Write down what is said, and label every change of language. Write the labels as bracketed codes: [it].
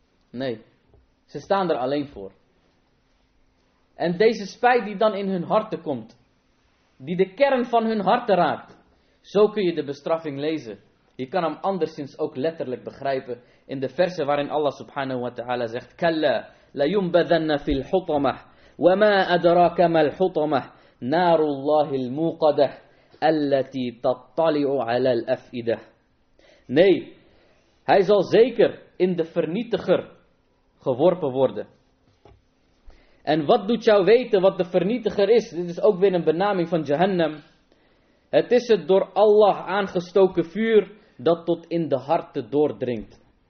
[nl] Nee, ze staan er alleen voor. En deze spijt die dan in hun harten komt, die de kern van hun harten raakt, zo kun je de bestraffing lezen. Je kan hem anderszins ook letterlijk begrijpen in de verse waarin Allah subhanahu wa ta'ala zegt, [ar] Kalla, la yumbadanna fil hutamah. وما أدراك ما الحطمة نار الله الموقدة التي تطلع على الأفئدة. [nl] Nee, hij zal zeker in de vernietiger geworpen worden. En wat doet jou weten wat de vernietiger is? Dit is ook weer een benaming van Jahannam. Het is het door Allah aangestoken vuur dat tot in de harten doordringt.